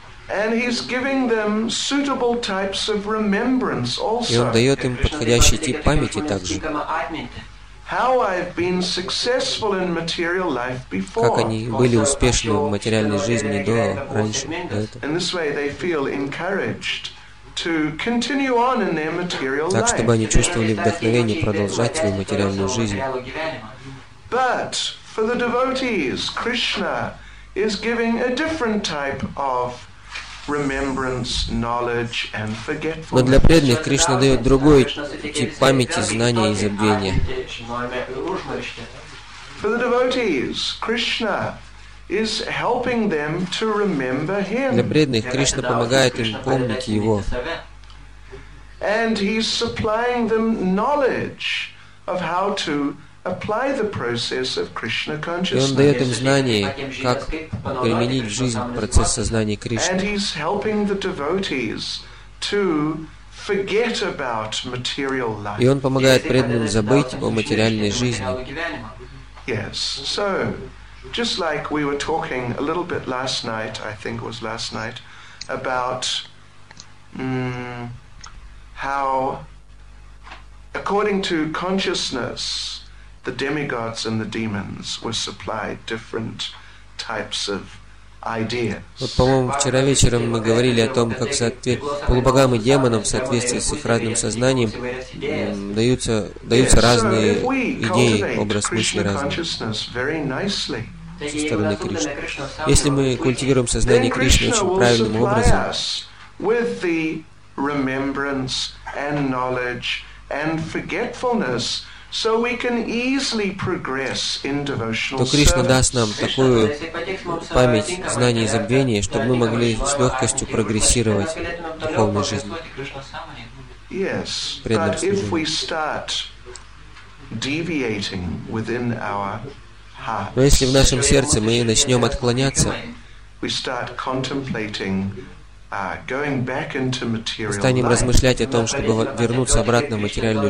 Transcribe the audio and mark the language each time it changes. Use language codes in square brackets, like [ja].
[en] And he's giving them suitable types of remembrance also. [ru] И он дает им подходящий тип памяти также. [en] How I've been successful in material life before. [ru] Как они были успешны в материальной жизни до, раньше, до этого. [en] In this way they feel encouraged to continue on in their material life. [ru] Так, чтобы они чувствовали вдохновение продолжать свою материальную жизнь. [en] But for the devotees, Krishna is giving a different type of remembrance, knowledge, and forgetfulness. [ru] Но для преданных Кришна дает другой тип памяти, знания и забвения. [en] For the devotees, Krishna is helping them to remember him. [ru] Для преданных Кришна помогает им помнить его. [en] And he's supplying them knowledge of how to apply the process of Krishna consciousness. [ru] И он дает им знания, как применить в жизнь процесс сознания Кришны. [en] And he's helping the devotees to forget about material life. [ru] И он помогает преданным забыть о материальной жизни. [en] Yes. So, just like we were talking a little bit last night, I think it was last night, about how, according to consciousness, the demigods and the demons were supplied different types of ideas. [ru] Вот, по-моему, вчера вечером мы говорили о том, как полубогам и демонам в соответствии с их разным сознанием даются разные идеи, образ мысли разные. Со стороны Кришны. Если мы культивируем сознание Кришны очень правильным образом, то Кришна даст нам такую память, знание и забвение, чтобы мы могли с легкостью прогрессировать в духовной жизни. [en] Yes, but if we start deviating within our [ru] Но если в нашем сердце мы начнем отклоняться, станем размышлять о том, чтобы вернуться обратно в материальную